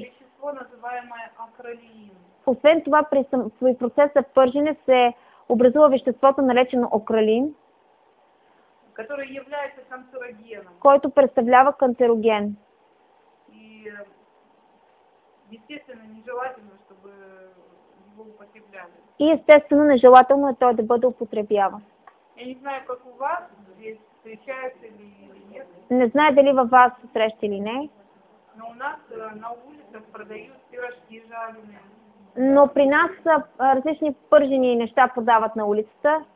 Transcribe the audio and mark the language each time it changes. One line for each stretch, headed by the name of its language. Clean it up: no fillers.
Russian: вещество, называемое акролеин.
Bulgarian: Освен това, при процеса пържене се образува веществото, наречено акролеин,
Russian: который является канцерогеном.
Bulgarian: Който представлява канцероген.
Russian: И, естественно, нежелательно, чтобы его употребляли.
Bulgarian: И, естественно, нежелательно е той да бъде употребяван.
Russian: Я не знаю, как у вас здесь встречается или нет.
Bulgarian: Не знаю, дали във вас среща или не.
Russian: Но у нас на улицах продают пирожки жареные.
Bulgarian: Но при нас различни пържени неща продават на улицата.